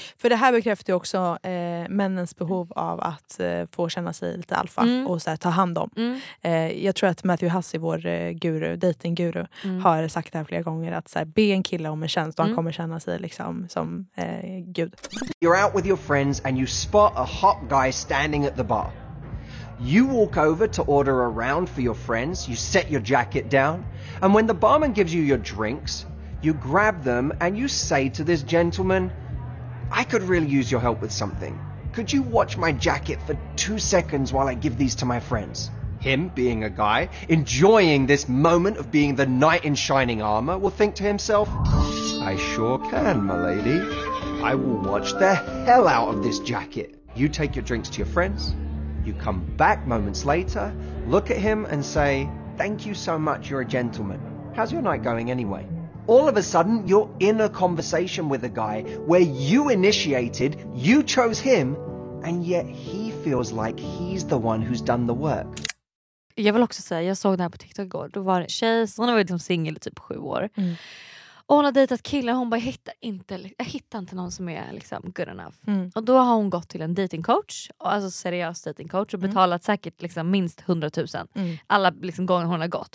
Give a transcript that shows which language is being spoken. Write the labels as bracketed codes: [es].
[sv] För det här bekräftar ju också männens behov av att få känna sig lite alfa och så här, ta hand om. Mm. Jag tror att Matthew Hussey, vår guru, dating-guru, har sagt det här flera gånger, att så här, be en kille om en tjänst och han kommer känna sig liksom som gud. [en] You're out with your friends and you spot a hot guy standing at the bar. You walk over to order a round for your friends, you set your jacket down, and when the barman gives you your drinks, you grab them and you say to this gentleman, I could really use your help with something. Could you watch my jacket for 2 seconds while I give these to my friends? Him, being a guy, enjoying this moment of being the knight in shining armor, will think to himself, I sure can, m'lady. I will watch the hell out of this jacket. You take your drinks to your friends. You come back moments later, look at him and say, thank you so much, you're a gentleman. How's your night going anyway? All of a sudden, you're in a conversation with a guy where you initiated, you chose him, and yet he feels like he's the one who's done the work. [sv] Jag vill också säga, jag såg det här på TikTok igår. Då var en tjej, så hon har varit singel i typ 7 år. Och hon har dejtat killar, hon bara, jag hittar inte någon som är liksom [en] good enough. Mm. [sv] Och då har hon gått till en datingcoach, alltså seriös datingcoach, och betalat säkert liksom minst 100 000 alla liksom gånger hon har gått.